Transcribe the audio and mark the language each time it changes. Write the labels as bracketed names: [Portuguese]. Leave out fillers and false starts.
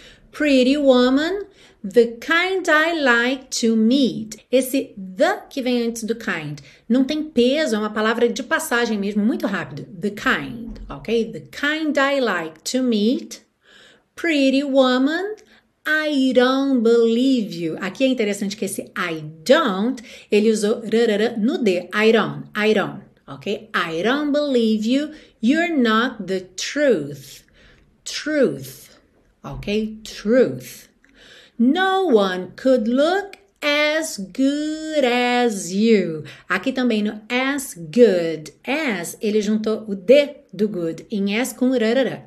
[English] Pretty woman, the kind I like to meet. [Portuguese] Esse the que vem antes do kind não tem peso, é uma palavra de passagem mesmo, muito rápido. [English] The kind, ok? The kind I like to meet. Pretty woman, I don't believe you. [Portuguese] Aqui é interessante que esse I don't, ele usou rarara no D. [English] I don't. Ok? I don't believe you. You're not the truth. Truth. Ok? Truth. No one could look as good as you. [Portuguese] Aqui também no as good. As, ele juntou o D do good em as com rarara.